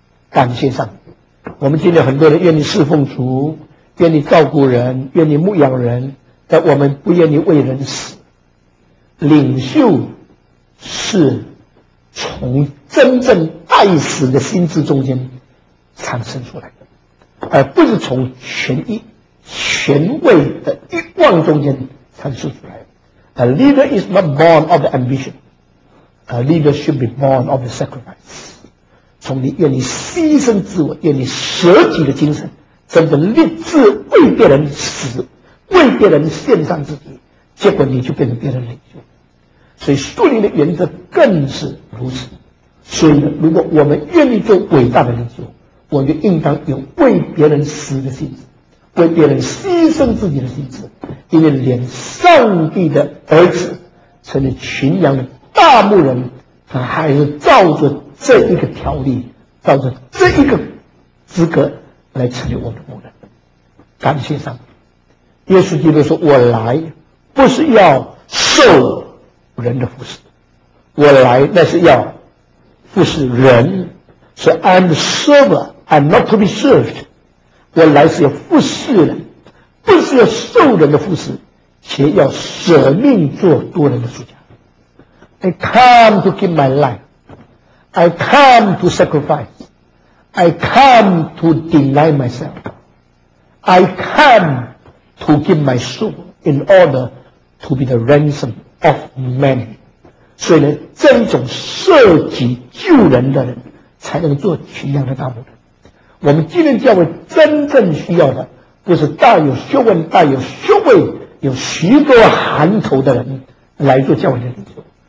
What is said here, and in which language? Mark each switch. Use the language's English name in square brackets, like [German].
[Chinese] 感谢上帝，我们今天很多人愿意侍奉主，愿意照顾人，愿意牧养人，但我们不愿意为人死。领袖是从真正爱死的心智中间产生出来的，而不是从权益权位的欲望中间产生出来的。 [English] A leader is not born of the ambition. A leader should be born of the sacrifice. [Chinese] 从你愿意牺牲自我、愿意舍己的精神，真正立志为别人死，为别人献上自己，结果你就变成别人领袖。所以树林的原则更是如此。所以呢，如果我们愿意做伟大的领袖，我们应当有为别人死的心智，为别人牺牲自己的心智，因为连上帝的儿子成了群羊的大牧人，他还是照着这一个条例，照着这一个资格来成为我们的牧人。感谢上帝，耶稣基督说，我来不是要受人的服侍，我来那是要服侍人，是 [English] I'm the server, I'm not to be served. [Chinese] 我来是要服侍人，不是要受人的服侍，且要舍命做多人的赎价。 [English] I come to give my life, I come to sacrifice, I come to deny myself, I come to give my soul in order to be the ransom of many. [Chinese] 所以呢，这一种舍己救人的人才能做群羊的大牧人。我们今天教会真正需要的不是大有学问、大有学位、有许多含头的人来做教会的领袖，